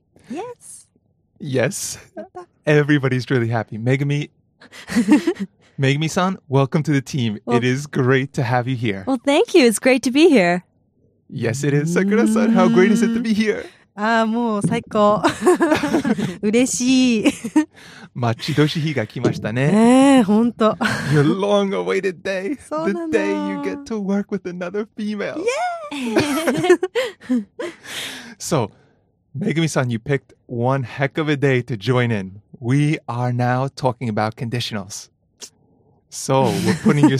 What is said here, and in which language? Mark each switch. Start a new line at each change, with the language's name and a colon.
English: Yes. Yes. Everybody's really happy. Megumi, Megumi-san, welcome to the team. Well, it is great to have you here. Well, thank you. It's great to be here. Yes, it is. Sakura-san, how great is it to be here?
Japanese: ああ、もう最高。嬉しい。待ち遠しい日が来ましたね。本当。
English: Your long-awaited day.
Japanese: そうなの。
English: The day you get to work with another female. Yay! So, Megumi-san, you picked one heck of a day to join in. We are now talking about conditionals. So, we're putting your...